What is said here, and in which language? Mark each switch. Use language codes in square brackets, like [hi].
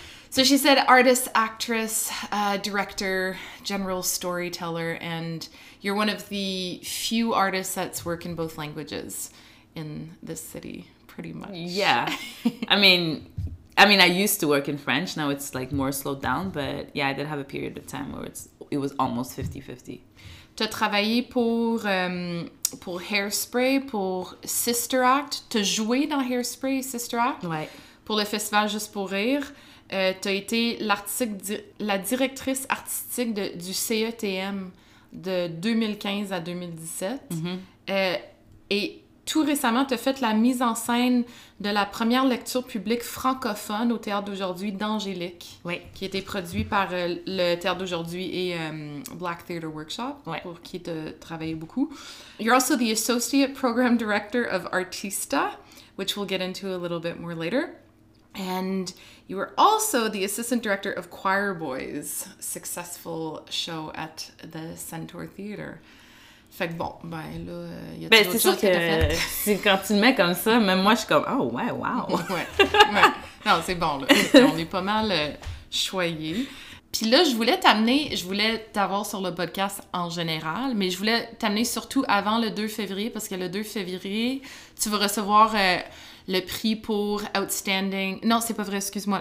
[en] So she said artist, actress, director, general storyteller, and you're one of the few artists that's work in both languages in this city, pretty much. Yeah. I mean, I used to work in French. Now it's like more slowed down, but yeah, I did have a period of time where it was almost 50-50. [fr] T'as travaillé pour Hairspray, pour Sister Act. T'as joué dans Hairspray et Sister Act. Ouais. Pour le festival Juste pour rire. T'as été la directrice artistique du CETM de 2015 à 2017. Mm-hmm. Et tout récemment, t'as fait la mise en scène de la première lecture publique francophone au Théâtre d'aujourd'hui d'Angélique. Ouais. Qui a été produit par le Théâtre d'aujourd'hui et Black Theatre Workshop. Ouais. Pour qui t'as travaillé beaucoup. [en] You're also the Associate Program Director of Artista, which we'll get into a little bit more later. And you were also the Assistant Director of Choir Boys, successful show at the Centaur Theatre. [fr] Fait que bon, ben là, y a ben, c'est sûr que c'est quand tu le mets comme ça, même moi, je suis comme, oh ouais, wow! Ouais, ouais. Non, c'est bon, là. On est pas mal choyés. Puis là, je voulais t'avoir sur le podcast en général, mais je voulais t'amener surtout avant le 2 février, parce que le 2 février, tu vas recevoir le prix pour Outstanding... Non, c'est pas vrai, excuse-moi.